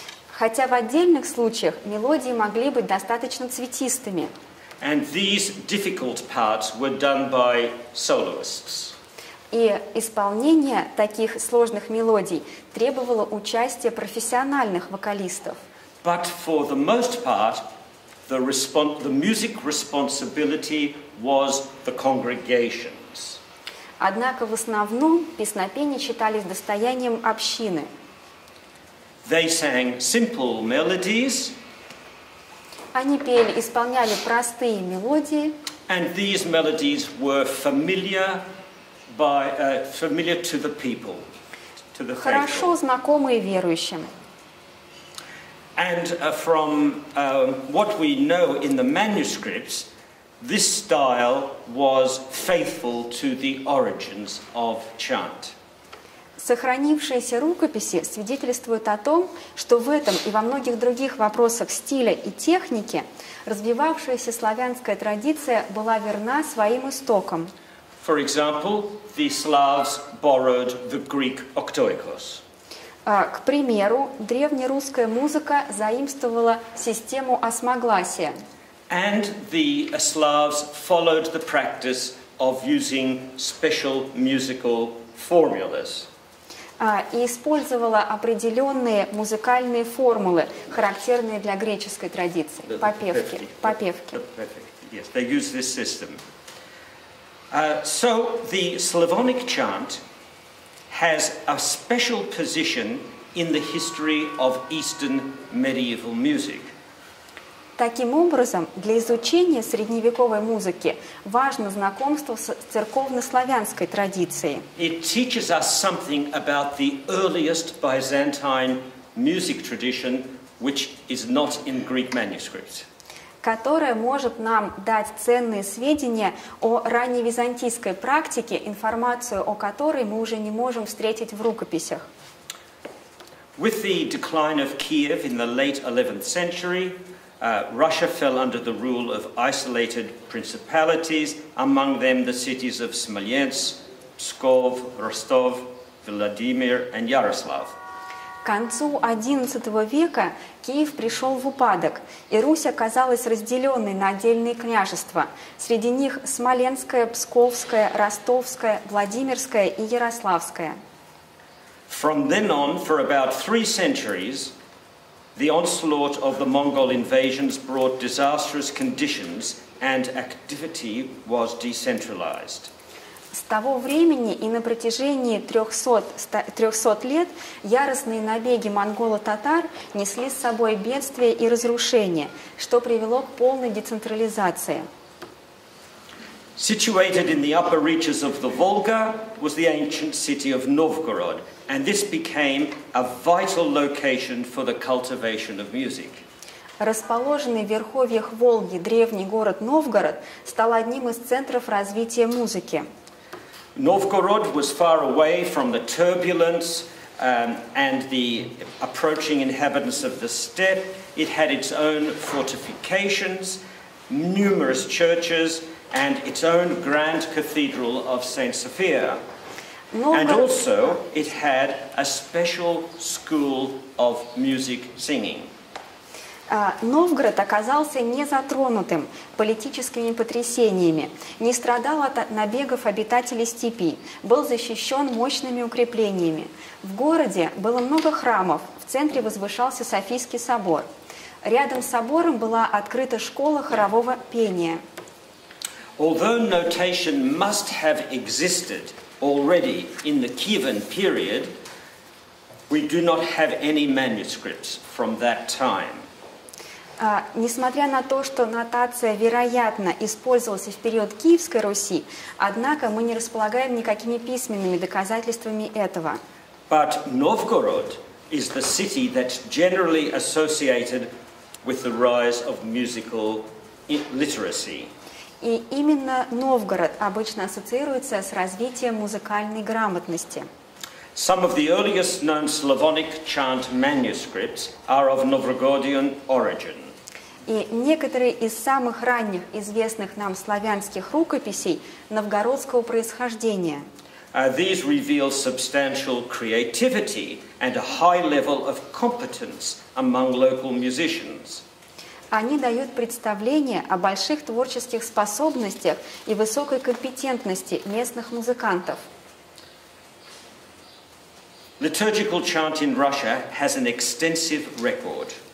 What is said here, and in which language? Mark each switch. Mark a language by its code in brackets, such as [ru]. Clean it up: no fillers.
[ru] Хотя в отдельных случаях мелодии могли быть достаточно цветистыми. [en] And these difficult parts were done by soloists. [ru] И исполнение таких сложных мелодий требовало участия профессиональных вокалистов. [en] But for the most part, the music responsibility was the congregation's. [ru] Однако в основном песнопения считались достоянием общины. [en] They sang simple melodies. [ru] Они пели, исполняли простые мелодии. [en] And these melodies were familiar by familiar to the people, to the faithful. [ru] Хорошо знакомые верующим. [en] And from what we know in the manuscripts, this style was faithful to the origins of chant. [ru] Сохранившиеся рукописи свидетельствуют о том, что в этом и во многих других вопросах стиля и техники развивавшаяся славянская традиция была верна своим истокам. [en] For example, the Slavs borrowed the Greek octoikos. [ru] К примеру, древнерусская музыка заимствовала систему осмогласия. [en] And the Slavs followed the practice of using special musical formulas. [ru] И использовала определенные музыкальные формулы, характерные для греческой традиции, попевки. [en] Yes, they use this system. So the Slavonic chant has a special position in the history of Eastern medieval music. [ru] Таким образом, для изучения средневековой музыки важно знакомство с церковно-славянской традицией. [en] It teaches us something about the earliest Byzantine music tradition, which is not in Greek manuscripts. [ru] Которая может нам дать ценные сведения о ранневизантийской практике, информацию о которой мы уже не можем встретить в рукописях. [en] With the decline of Kiev in the late 11th century, Russia fell under the rule of isolated principalities, among them the cities of Smolensk, Pskov, Rostov, Vladimir and Yaroslav. [ru] К концу XI века Киев пришел в упадок, и Русь оказалась разделенной на отдельные княжества. Среди них Смоленское, Псковское, Ростовское, Владимирское и Ярославское. [en] From then on, for about three centuries, the onslaught of the Mongol invasions brought disastrous conditions, and activity was decentralized. [ru] С того времени и на протяжении 300 лет яростные набеги монголо-татар несли с собой бедствия и разрушения, что привело к полной децентрализации. [en] Situated in the upper reaches of the Volga was the ancient city of Novgorod, and this became a vital location for the cultivation of music. [ru] Расположенный в верховьях Волги древний город Новгород стал одним из центров развития музыки. [en] Novgorod was far away from the turbulence and the approaching inhabitants of the steppe. It had its own fortifications, numerous churches, and its own grand cathedral of Saint Sophia. And also, it had a special school of music singing. [ru] Новгород оказался незатронутым политическими потрясениями, не страдал от набегов обитателей степи, был защищен мощными укреплениями. В городе было много храмов, в центре возвышался Софийский собор. Рядом с собором была открыта школа хорового пения. [en] Although notation must have existed already in the Kievan period, we do not have any manuscripts from that time. [ru] Несмотря на то, что нотация, вероятно, использовалась и в период Киевской Руси, однако мы не располагаем никакими письменными доказательствами этого. [en] But Novgorod is the city that's generally associated with the rise of musical literacy. [ru] И именно Новгород обычно ассоциируется с развитием музыкальной грамотности. [en] Some of the earliest known Slavonic chant manuscripts are of Novgorodian origin. [ru] И некоторые из самых ранних известных нам славянских рукописей новгородского происхождения. [en] These reveal substantial creativity and a high level of competence among local musicians. [ru] Они дают представление о больших творческих способностях и высокой компетентности местных музыкантов. [en] Liturgical chant in Russia has an extensive record.